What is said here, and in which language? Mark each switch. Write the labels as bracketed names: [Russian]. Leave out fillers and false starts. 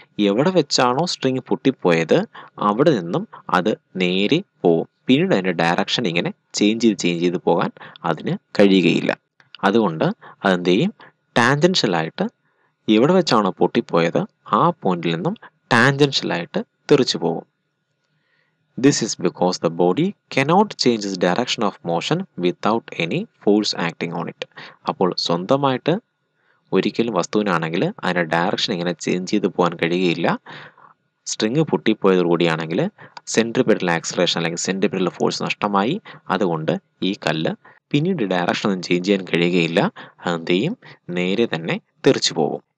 [Malayalam] എവിടെ വെച്ചാണോ സ്ട്രിങ് പൊട്ടിപ്പോയത് അവിടെ നിന്നും അത് നേരെ പോവും, പിന്നീട് അതിൻ്റെ ഡയറക്ഷൻ ഇങ്ങനെ ചേഞ്ച് ചെയ്ത് പോകാൻ അതിന് കഴിയുകയില്ല. അതുകൊണ്ട് അതെന്ത് ചെയ്യും, ടാൻജൻഷ്യലായിട്ട് എവിടെ വെച്ചാണോ പൊട്ടിപ്പോയത് ആ പോയിന്റിൽ നിന്നും ടാൻജൻഷ്യലായിട്ട് തെറിച്ചു പോകും. [English] This is because the body cannot change its direction of motion without any force acting on it. [Malayalam] അപ്പോൾ സ്വന്തമായിട്ട് ഒരിക്കലും വസ്തുവിനാണെങ്കിൽ അതിൻ്റെ ഡയറക്ഷൻ ഇങ്ങനെ ചേഞ്ച് ചെയ്ത് പോകാൻ കഴിയുകയില്ല. സ്ട്രിങ് പൊട്ടിപ്പോയതോടുകൂടിയാണെങ്കിൽ സെൻട്രിപെറ്റൽ ആക്സലറേഷൻ അല്ലെങ്കിൽ സെൻട്രിപെറ്റൽ ഫോഴ്സ് നഷ്ടമായി. അതുകൊണ്ട് ഈ കല്ല് പിന്നീട് ഡയറക്ഷൻ ഒന്നും ചേഞ്ച് ചെയ്യാൻ കഴിയുകയില്ല, അതെന്ത് ചെയ്യും, നേരെ തന്നെ തെറിച്ചു പോകും.